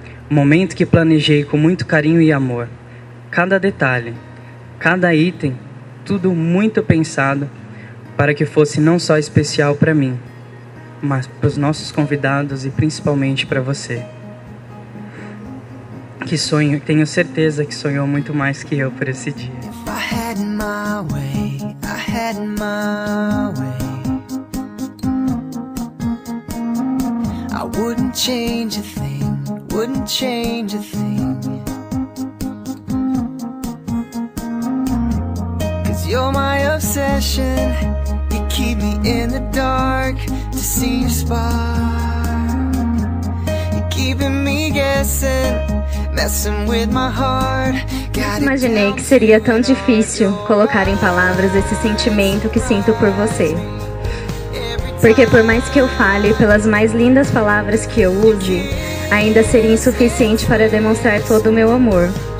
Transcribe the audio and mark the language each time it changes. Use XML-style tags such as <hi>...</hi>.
<pt>Momento que planejei com muito carinho e amor. Cada detalhe, cada item, tudo muito pensado para que fosse não só especial para mim, mas para os nossos convidados e principalmente para você. Que sonho, tenho certeza que sonhou muito mais que eu por esse dia.</pt> <en>If I had my way, I had my way. I wouldn't change a thing, wouldn't change a thing. Cause you're my obsession, you keep me in the dark to see your spark. You're keeping me guessing, messing with my heart.</en> <pt>Imaginei que seria tão difícil colocar em palavras esse sentimento que sinto por você. Porque por mais que eu fale, pelas mais lindas palavras que eu use, ainda seria insuficiente para demonstrar todo o meu amor.</pt>